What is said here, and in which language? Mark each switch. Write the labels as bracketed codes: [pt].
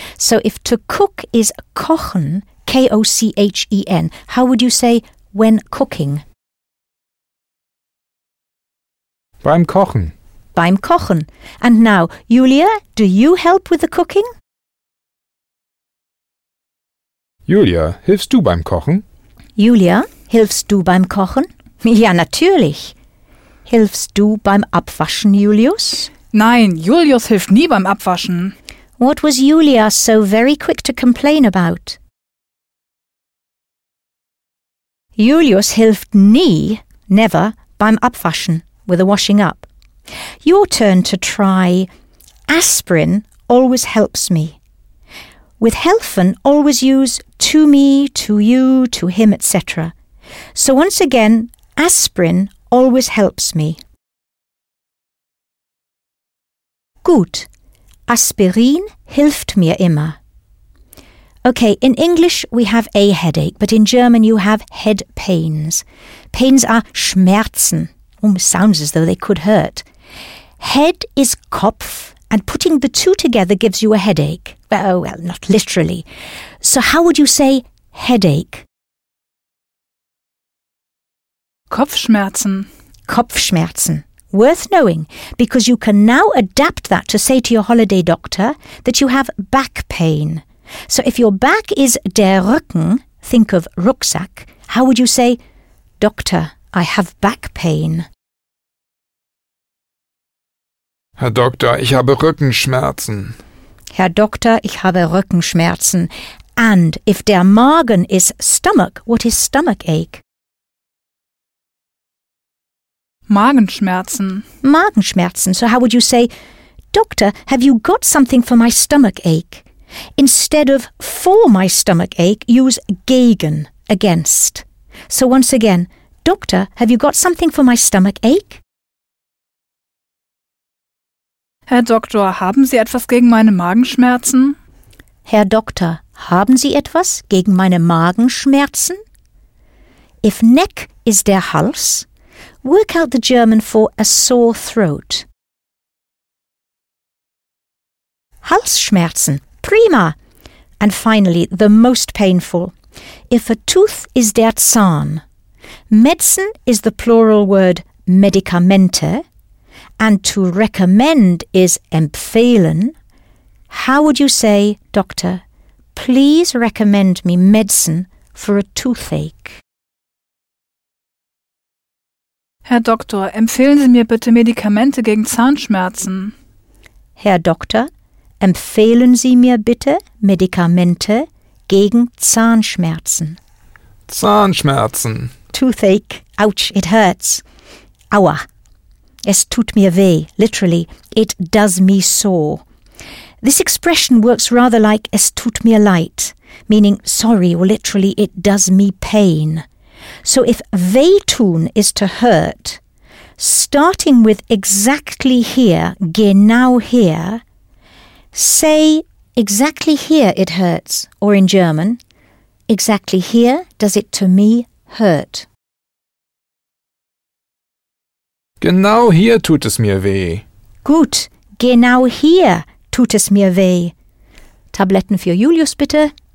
[en] So if to cook is kochen, K-O-C-H-E-N, how would you say when cooking? [de] Beim Kochen. Beim Kochen. [en] And now, Julia, do you help with the cooking? [de] Julia, hilfst du beim Kochen? Julia, hilfst du beim Kochen? Ja, natürlich. Hilfst du beim Abwaschen, Julius? Nein, Julius hilft nie beim Abwaschen. [en] What was Julia so very quick to complain about? [de] Julius hilft nie, never, beim Abwaschen, [en] with the washing up. Your turn to try aspirin always helps me. With helfen, always use to me, to you, to him, etc. So once again, aspirin always helps me. [de] Gut. Aspirin hilft mir immer. [en] Okay, in English we have a headache, but in German you have head pains. Pains are Schmerzen. Almost sounds as though they could hurt. Head is Kopf, and putting the two together gives you a headache. Oh, well, not literally. So how would you say headache? [de] Kopfschmerzen. Kopfschmerzen. [en] Worth knowing, because you can now adapt that to say to your holiday doctor that you have back pain. So if your back is der Rücken, think of Rucksack, how would you say, Doctor, I have back pain? [de] Herr Doktor, ich habe Rückenschmerzen. Herr Doktor, ich habe Rückenschmerzen. [en] And if der Magen is stomach, what is stomach ache? [de] Magenschmerzen. Magenschmerzen. [en] So how would you say, Doctor, have you got something for my stomach ache? Instead of for my stomach ache, use gegen, against. So once again, Doctor, have you got something for my stomach ache? [de] Herr Doktor, haben Sie etwas gegen meine Magenschmerzen? Herr Doktor, haben Sie etwas gegen meine Magenschmerzen? [en] If neck is der Hals, work out the German for a sore throat. [de] Halsschmerzen, prima! [en] And finally, the most painful. If a tooth is der Zahn, Medizin is the plural word Medikamente, and to recommend is empfehlen. How would you say, Doctor, please recommend me medicine for a toothache? [de] Herr Doktor, empfehlen Sie mir bitte Medikamente gegen Zahnschmerzen. Herr Doktor, empfehlen Sie mir bitte Medikamente gegen Zahnschmerzen. Zahnschmerzen. [en] Toothache. Ouch, it hurts. [de] Aua. Es tut mir weh. [en] Literally, it does me sore. This expression works rather like [de] es tut mir leid, [en] meaning sorry, or literally it does me pain. So if weh tun is to hurt, starting with exactly here, genau here, say exactly here it hurts, or in German, exactly here does it to me hurt. [de] Genau hier tut es mir weh. Gut, genau hier tut es mir weh. Tabletten für Julius, bitte.